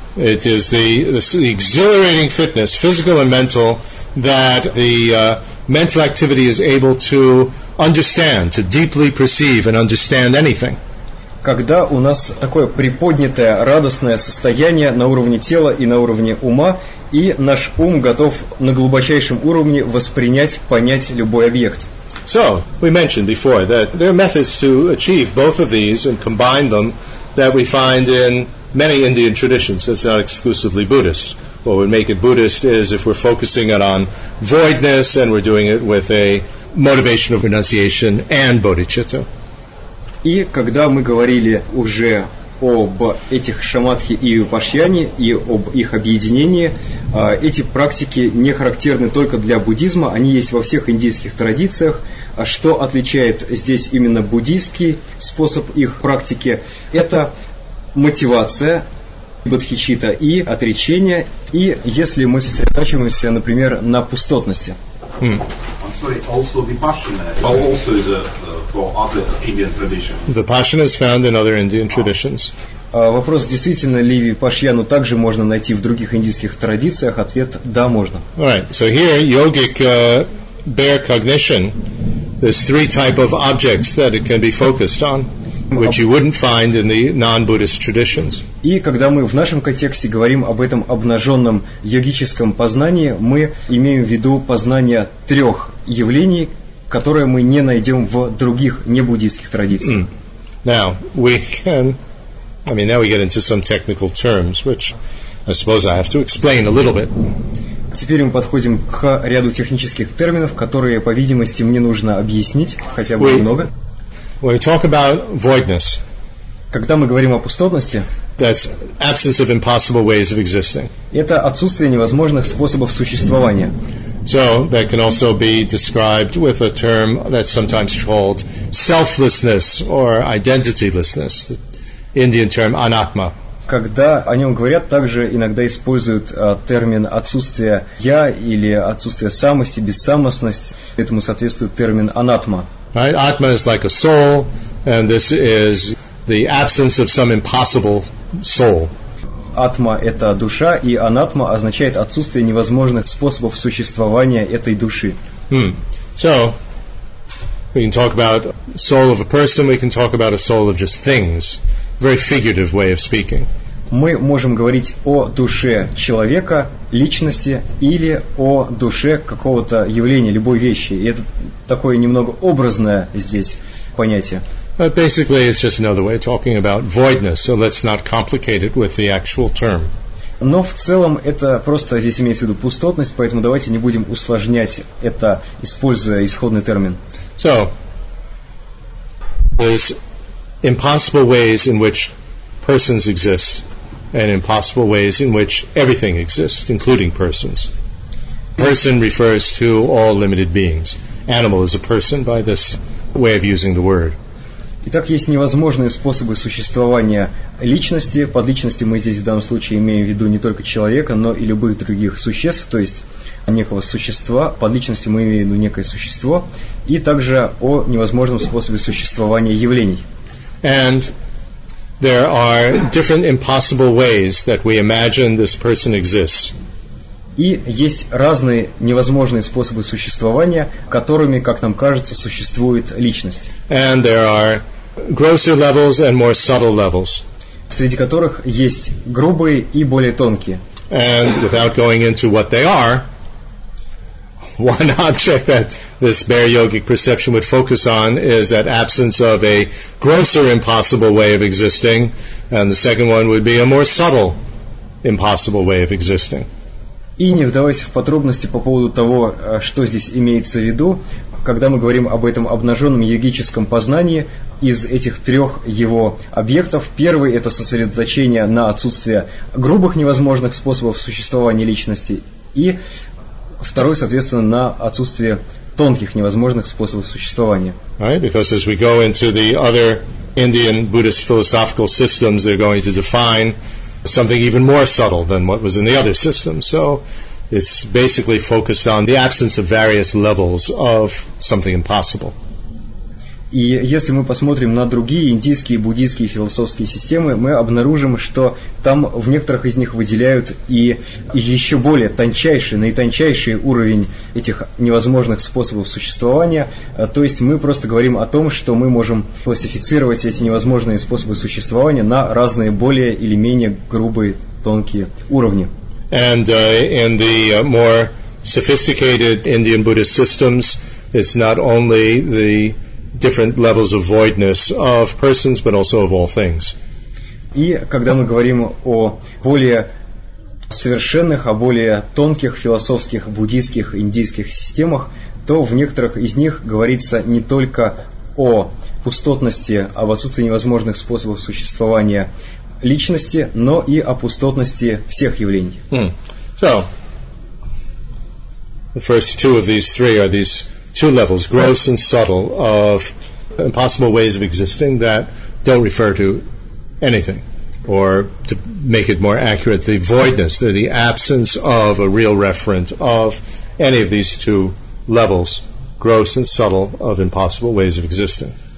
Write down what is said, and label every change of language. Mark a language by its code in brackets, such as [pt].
[en] It is the exhilarating fitness, physical and mental, that the mental activity is able to understand, to deeply perceive and understand anything. [ru] Когда у нас такое приподнятое, радостное состояние на уровне тела и на уровне ума, и наш ум готов на глубочайшем уровне воспринять, понять любой объект. [en] So, we mentioned before that there are methods to achieve both of these and combine them that we find in many Indian traditions. It's not exclusively Buddhist. What would make it Buddhist is if we're focusing it on voidness and we're doing it with a motivation of renunciation and bodhicitta. [ru] И когда мы говорили уже об этих шамадхи и випассане и об их объединении, эти практики не характерны только для буддизма, они есть во всех индийских традициях. А что отличает здесь именно буддийский способ их практики? Это мотивация бодхичитта и отречение, и если мы сосредотачиваемся, например, на пустотности. [en] Sorry, also vipassana also is a form of for other Indian traditions. The passion is found in other Indian traditions. [ru] Вопрос, действительно ли випашьяну также можно найти в других индийских традициях? Ответ – да, можно. [en] Right. So here, yogic bare cognition, there's three type of objects that it can be focused on, which you wouldn't find in the non-Buddhist traditions. [ru] И когда мы в нашем контексте говорим об этом обнаженном йогическом познании, мы имеем в виду познание трех явлений, которые мы не найдем в других небуддийских традициях. [en] Now, we can... I mean, now we get into some technical terms, which I suppose I have to explain a little bit. [ru] Теперь мы подходим к ряду технических терминов, которые, по видимости, мне нужно объяснить, хотя бы немного. [en] When we talk about voidness, [ru] когда мы говорим о пустотности, [en] that's absence of impossible ways of existing. [ru] Это отсутствие невозможных способов существования. [en] So that can also be described with a term that's sometimes called selflessness or identitylessness. Indian term anatma. [ru] Когда о нем говорят, также иногда используют термин отсутствие я или отсутствие самости, бессамостность. Этому соответствует термин анатма. [en] Right, atma is like a soul, and this is the absence of some impossible soul. [ru] Атма – это душа, и анатма означает отсутствие невозможных способов существования этой души. [en] So we can talk about soul of a person. We can talk about a soul of just things. Very figurative way of speaking. [ru] Мы можем говорить о душе человека, личности, или о душе какого-то явления, любой вещи. И это такое немного образное здесь понятие. [en] But basically, it's just another way of talking about voidness. So let's not complicate it with the actual term. [ru] Но в целом это просто здесь имеется в виду пустотность, поэтому давайте не будем усложнять это, используя исходный термин. [en] So there's impossible ways in which persons exist and impossible ways in which everything exists, including persons. Person refers to all limited beings. Animal is a person by this way of using the word. [ru] Итак, есть невозможные способы существования личности. Под личностью мы здесь в данном случае имеем в виду не только человека, но и любых других существ, то есть некого существа. Под личностью мы имеем в виду некое существо. И также о невозможном способе существования явлений. [en] And there are different impossible ways that we imagine this person exists. [ru] И есть разные невозможные способы существования, которыми, как нам кажется, существует личность. [en] And there are grosser levels and more subtle levels. [ru] Среди которых есть грубые и более тонкие. [en] And without going into what they are, one object that this bare yogic perception would focus on is that absence of a grosser impossible way of existing, and the second one would be a more subtle impossible way of existing. [ru] И не вдаваясь в подробности по поводу того, что здесь имеется в виду, когда мы говорим об этом обнаженном йогическом познании, из этих трех его объектов, первый – это сосредоточение на отсутствии грубых невозможных способов существования личности, и второй, соответственно, на отсутствии тонких невозможных способов существования. [en] Right, because as we go into the other Indian Buddhist philosophical systems, they're going to define something even more subtle than what was in the other system. So it's basically focused on the absence of various levels of something impossible. [ru] И если мы посмотрим на другие индийские, буддийские философские системы, мы обнаружим, что там в некоторых из них выделяют и еще более тончайший, наитончайший уровень этих невозможных способов существования. То есть мы просто говорим о том, что мы можем классифицировать эти невозможные способы существования на разные более или менее грубые, тонкие уровни. [en] And in the more sophisticated Indian Buddhist systems, it's not only the different levels of voidness of persons, but also of all things. [ru] И когда мы говорим о более совершенных, о более тонких философских, буддийских, индийских системах, то в некоторых из них говорится не только о пустотности, об отсутствии невозможных способов существования личности, но и о пустотности всех явлений. [en] So, the first two of these three are these two levels, gross and subtle, of impossible ways of existing that don't refer to anything. Or, to make it more accurate, the voidness, the absence of a real referent of any of these two levels, gross and subtle, of impossible ways of existing.